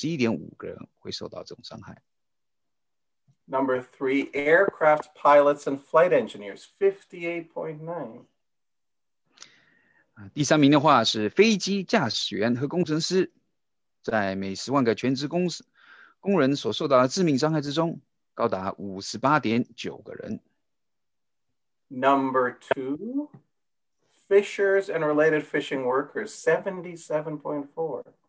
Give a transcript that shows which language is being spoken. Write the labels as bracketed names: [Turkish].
[Chinese] 第四名是屋顶维修工人，在每10万个全职工人所受到致命伤害，总共是有51.5个人会受到这种伤害。 [English] Number three, aircraft pilots and flight engineers, 58.9. [Chinese] 第三名的话是飞机驾驶员和工程师，在每10万个全职工人所受到致命伤害之中，高达58.9个人。 [English] Number two, fishers and related fishing workers, 77.4.